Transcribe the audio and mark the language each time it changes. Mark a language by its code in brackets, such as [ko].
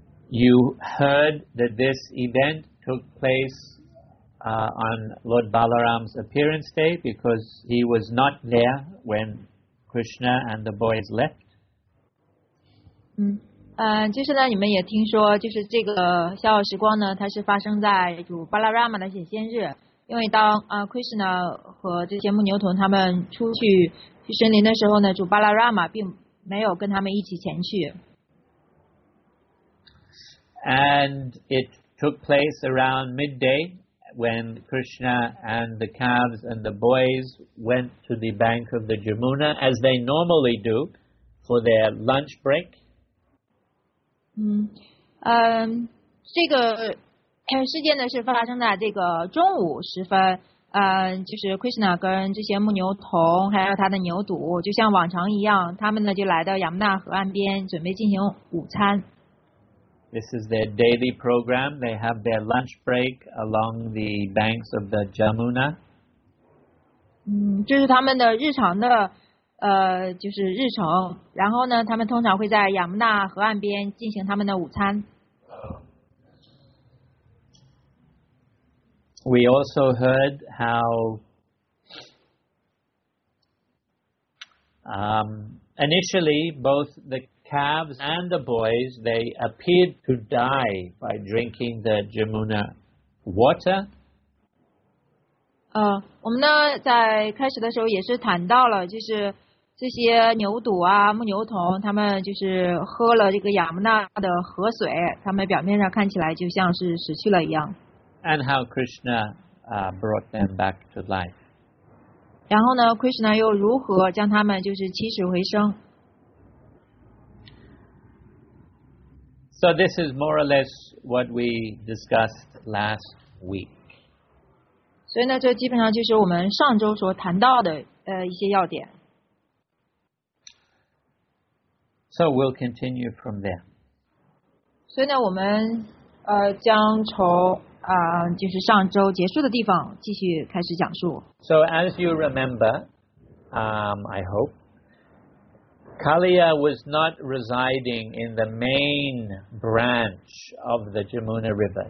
[en] You heard that this event took place on Lord Balaram's appearance day because he was not there when Krishna and the boys left. [zh] 就是呢，你们也听说，就是这个逍遥时光呢，它是发生在主巴拉拉玛的显现日，因为当Krishna 和这些牧牛童他们出去去森林的时候呢，主巴拉拉玛并没有跟他们一起前去。 [en] And it took place around midday when Krishna and the calves and the boys went to the bank of the Jamuna as they normally do for their lunch break. [zh] 这个事件呢是发生在这个中午时分。就是 Krishna 跟这些牧牛童还有他的牛犊，就像往常一样，他们呢就来到亚穆纳河岸边准备进行午餐。 [en] This is their daily program. They have their lunch break along the banks of the Jamuna. [zh] 这是他们的日常的就是日程。然后呢，他们通常会在亚穆纳河岸边进行他们的午餐。 [en] We also heard how initially both the calves and the boys, they appeared to die by drinking the Jamuna water. [zh] 我们呢在开始的时候也是谈到了，就是这些牛犊啊、牧牛童，他们就是喝了这个亚穆纳的河水，他们表面上看起来就像是死去了一样。 [en] And how Krishna brought them back to life. [zh] 然后呢 ，Krishna 又如何将他们就是起死回生 [en] ？So this is more or less what we discussed last week. [zh] 所以呢，这基本上就是我们上周所谈到的一些要点。 [en] So we'll continue from there. [zh] 所以呢，我们将从就是上周结束的地方继续开始讲述。 [en] So as you remember, I hope, Kaliya was not residing in the main branch of the Jamuna River.